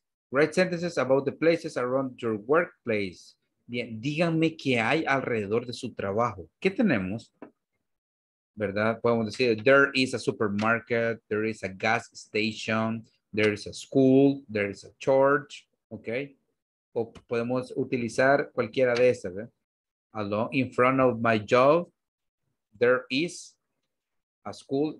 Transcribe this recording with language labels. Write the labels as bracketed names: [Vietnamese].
[English] Write sentences about the places around your workplace. [Spanish] Bien, díganme qué hay alrededor de su trabajo. ¿Qué tenemos? ¿Verdad? Podemos decir, [English] there is a supermarket, there is a gas station, there is a school, there is a church, ¿ok? [Spanish] O podemos utilizar cualquiera de esas, ¿verdad? [English] Along, in front of my job, there is a school.